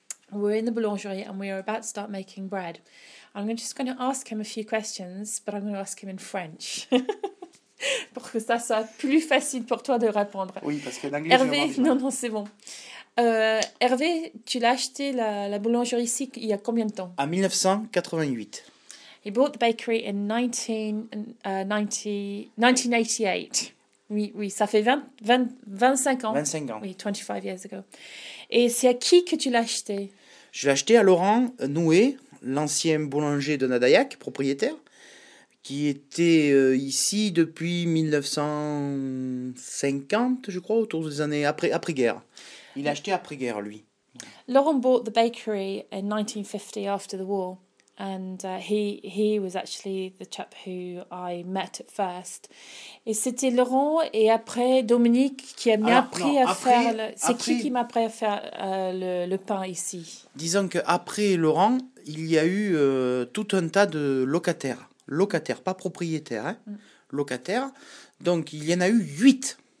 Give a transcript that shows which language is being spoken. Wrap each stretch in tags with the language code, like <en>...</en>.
<en>We're in the boulangerie and we are about to start making bread. I'm just going to ask him a few questions, but I'm going to ask him in French.</en> <fr>Pour que ça soit plus facile pour toi de répondre. Oui, parce que l'anglais, j'ai vraiment Hervé, du mal. non, c'est bon. Hervé, tu l'as acheté la boulangerie ici il y a combien de temps? En 1988.</fr> <en>He bought the bakery in 1988.</en> <fr>Oui, ça fait 25 ans. 25 ans. Oui,</fr> <en>25 years ago.</en> <fr>Et c'est à qui que tu l'as acheté? Je l'ai acheté à Laurent Noué, l'ancien boulanger de Nadaillac, propriétaire, qui était ici depuis 1950, je crois, autour des années après-guerre. Il a acheté après-guerre, lui.</fr> <en>Laurent bought the bakery in 1950 after the war. And he was actually the chap who I met at first.</en> <fr>Et c'était Laurent et après Dominique qui m'a Alors, non, appris à faire le... C'est qui m'a appris à faire le pain ici? disons qu'après Laurent, il y a eu tout un tas de locataires. Locataires, pas propriétaires, hein. Locataires. Donc, il y en a eu 8.</fr>